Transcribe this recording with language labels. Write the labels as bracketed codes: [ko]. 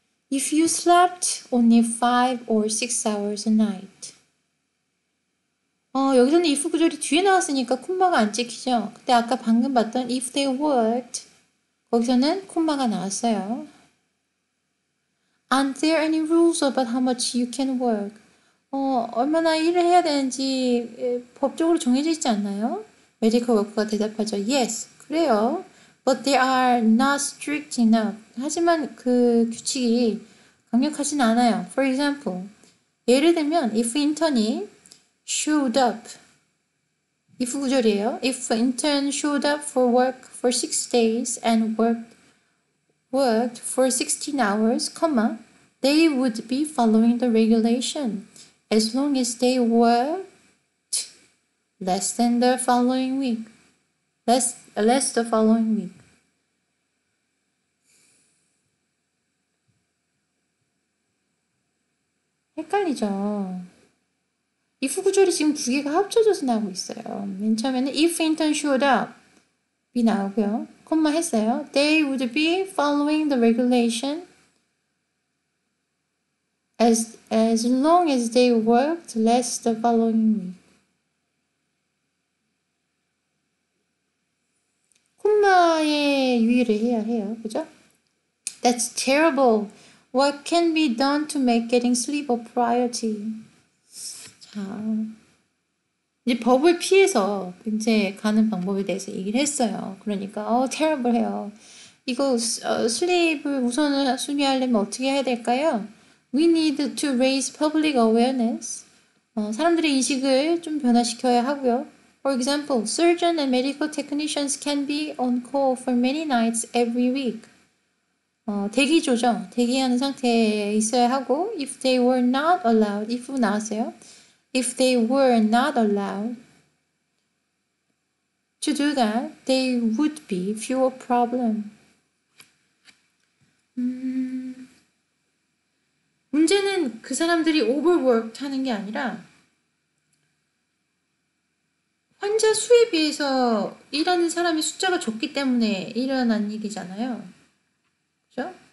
[en] If you slept only 5 or 6 hours a night. [ko] 여기서는 if 구절이 뒤에 나왔으니까 콤마가 안 찍히죠? 근데 아까 방금 봤던 [en] if they worked, [ko] 거기서는 콤마가 나왔어요. [en] Aren't there any rules about how much you can work? [ko] 얼마나 일을 해야 되는지 법적으로 정해져 있지 않나요? [en] Medical worker가 [ko] 대답하죠. [en] Yes, [ko] 그래요. [en] But they are not strict enough. [ko] 하지만 그 규칙이 강력하진 않아요. [en] For example, [ko] 예를 들면, [en] if intern이 showed up, if [ko] 구절이에요. [en] If intern showed up for work for 6 days and worked for 16 hours, they would be following the regulation as long as they worked less than the following week. Less the following week. [ko] 헷갈리죠. if 구절이 지금 두 개가 합쳐져서 나오고 있어요. 맨 처음에는 [en] if intern showed up [ko] 이 나오고요. 콤마 했어요. [en] They would be following the regulation as long as they worked less the following week. [ko] 콤마에 유의를 해야 해요. 그죠? [en] That's terrible. What can be done to make getting sleep a priority? [ko] 자, 이제 법을 피해서 이제 가는 방법에 대해서 얘기를 했어요. 그러니까 terrible 해요. 이거 sleep을 우선 순위하려면 어떻게 해야 될까요? [en] We need to raise public awareness. [ko] 사람들의 인식을 좀 변화시켜야 하고요. [en] For example, surgeon and medical technicians can be on call for many nights every week. [ko] 대기조죠. 대기하는 상태에 있어야 하고, [en] if they were not allowed, [ko] if 나왔어요. [en] If they were not allowed to do that, they would be fewer problem. [ko] 문제는 그 사람들이 overworked 하는 게 아니라, 환자 수에 비해서 일하는 사람이 숫자가 적기 때문에 일어난 일이잖아요. 그죠?